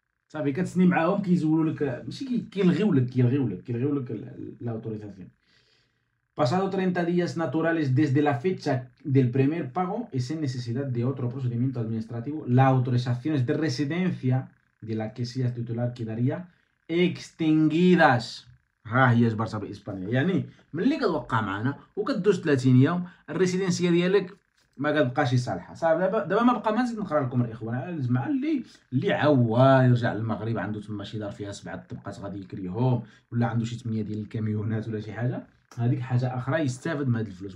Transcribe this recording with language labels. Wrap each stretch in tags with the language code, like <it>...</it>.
<ar>صافي كتسني معاهم كيزولوا لك ماشي كيلغيو لك كيلغيو لك لاوتوريزاسيون.</ar> <es>Pasado 30 días naturales desde la fecha del primer pago y sin necesidad de otro procedimiento administrativo, las autorizaciones de residencia de la que seas titular quedaría extinguidas.</es> <ar>هاهي اجبر صافي اسبانيا، يعني ملي كتوقع معانا وكدوز 30 يوم الريسيدنسيا ديالك ما كتبقاش صالحه. صافي دابا ما بقى ما نزيد نقرا لكم الاخوان على الجماعه اللي عواه يرجع للمغرب، عنده تما شي دار فيها 7 طبقات غادي يكريهم، ولا عنده شي 8 ديال الكاميونات ولا شي حاجه، هذيك حاجه اخرى يستافد من هاد الفلوس.</ar>